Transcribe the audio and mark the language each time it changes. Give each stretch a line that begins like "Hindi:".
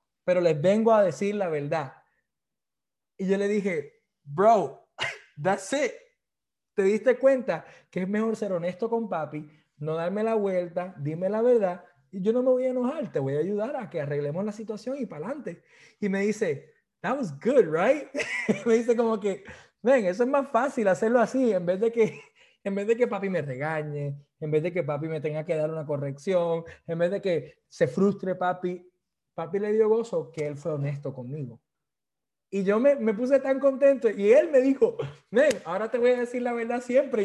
Spanish: Pero les vengo a decir la verdad. Y yo le dije, bro,
English: that's it.
Spanish: ¿Te diste cuenta que es mejor ser honesto con papi, no darme la vuelta, dime la verdad y yo no me voy a enojar, te voy a ayudar a que arreglemos la situación y para adelante? Y me dice,
English: that was good, right?
Spanish: Me dice como que, ven, eso es más fácil hacerlo así en vez de que papi me regañe, en vez de que papi me tenga que dar una corrección, en vez de que se frustre papi. Papi le dio gozo que él fue honesto conmigo. Y yo me puse tan contento y él me dijo, ven, ahora te voy a decir la verdad siempre.